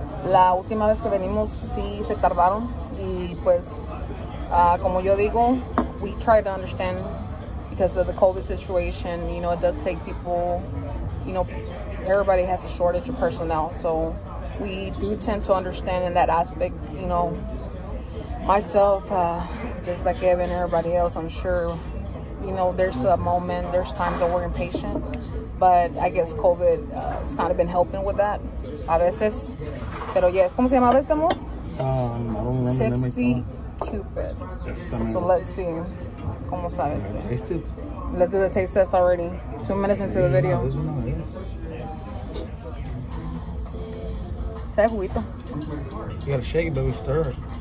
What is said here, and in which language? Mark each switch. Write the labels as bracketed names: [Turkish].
[Spanish] La última vez que venimos, sí se tardaron. Y pues, como yo digo, [English] we try to understand because of the COVID situation, you know, it does take people. You know, everybody has a shortage of personnel, so we do tend to understand in that aspect. You know, myself, just like Evan, everybody else, I'm sure, you know, there's a moment, there's times that we're impatient, but I guess COVID has kind of been helping with that. [Spanish] A veces, pero [English] yes, [Spanish] ¿cómo se llamaba este amor? [English] Tipsy Cupid. So let's see. [Spanish] ¿Cómo sabes? [English] Let's do the taste test already. 2 minutes into the video. You gotta shake it, baby, stir it.